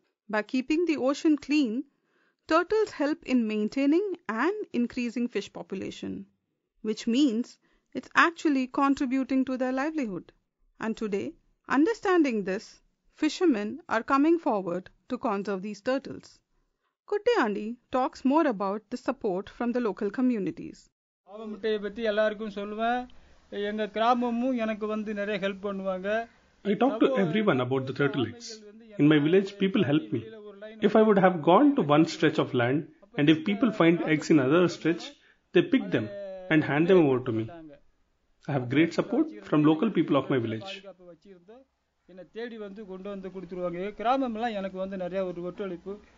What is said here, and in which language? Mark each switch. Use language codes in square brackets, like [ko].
[en] By keeping the ocean clean, turtles help in maintaining and increasing fish population, which means it's actually contributing to their livelihood. And today, understanding this, fishermen are coming forward to conserve these turtles. Kutti Andy talks more about the support from the local communities. [ta] ஆவ முட்டையை பத்தி எல்லாருக்கும் சொல்லுவேன். எங்க கிராமமும் எனக்கு வந்து நிறைய ஹெல்ப் பண்ணுவாங்க. [en] I talk to everyone about the turtle eggs. In my village, people help me. If I would have gone to one stretch of land and if people find eggs in another stretch, they pick them and hand them over to me. I have great support from local people of my village. [ta] என்ன தேடி வந்து கொண்டு வந்து கொடுத்துருவாங்க. கிராமம் எல்லாம் எனக்கு வந்து நிறைய ஒரு ஒத்துழைப்பு.